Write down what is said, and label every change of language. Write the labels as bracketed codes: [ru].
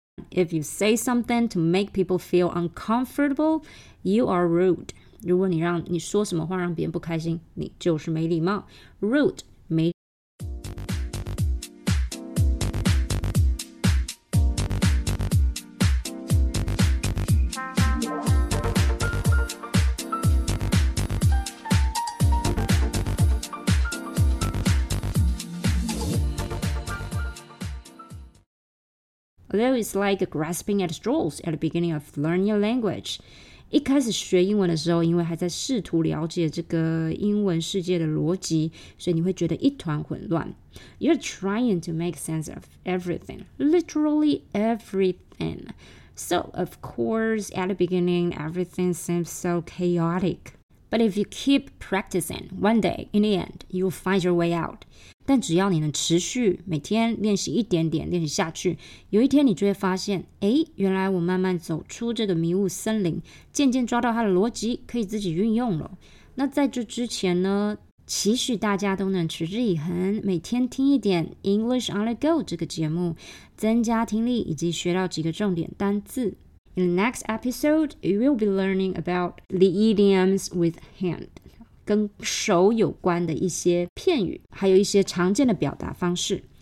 [en] If you say something to make people feel uncomfortable, you are rude. [zh] 如果你说什么话让别人不开心，你就是没礼貌。 Rude 没礼貌。 [en] Although it's like grasping at straws at the beginning of learning a language. [zh] 一开始学英文的时候，因为还在试图了解这个英文世界的逻辑，所以你会觉得一团混乱。 [en] You're trying to make sense of everything, literally everything. So, of course, at the beginning, everything seems so chaotic. But if you keep practicing, one day, in the end, you'll find your way out. [zh] 但只要你能持续每天练习一点点，练习下去，有一天你就会发现，哎，原来我慢慢走出这个迷雾森林，渐渐抓到它的逻辑，可以自己运用了。那在这之前呢，期许大家都能持之以恒，每天听一点 English on the Go 这个节目，增加听力以及学到几个重点单字。 [en] In the next episode, you will be learning about the idioms with hand. [zh] 跟手有关的一些片语，还有一些常见的表达方式。